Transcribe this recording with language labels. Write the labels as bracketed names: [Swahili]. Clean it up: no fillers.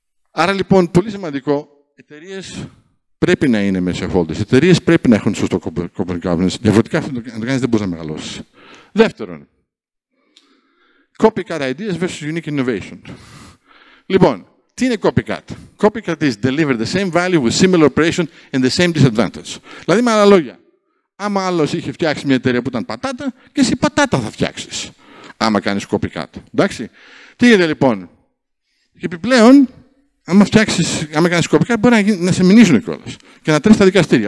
[Greek] Άρα λοιπόν, πολύ σημαντικό, εταιρείες πρέπει να είναι με shareholders. Εταιρείες πρέπει να έχουν σωστό corporate governance. Διαφορετικά, αυτό το κάνει δεν μπορεί να μεγαλώσει. [English] Δεύτερον, copycat ideas versus unique innovation. [Greek] Λοιπόν, τι είναι copycat? [English] Copycat is deliver the same value with similar operation and the same disadvantage. [Greek] Δηλαδή, με άλλα λόγια, άμα άλλο είχε φτιάξει μια εταιρεία που ήταν πατάτα, και εσύ πατάτα θα φτιάξει. Άμα κάνει copycat. Εντάξει. Τι γίνεται λοιπόν? Επιπλέον, άμα κάνεις κοπικά, μπορεί να σε μηνύσουν κιόλας και να τρέχεις τα δικαστήρια.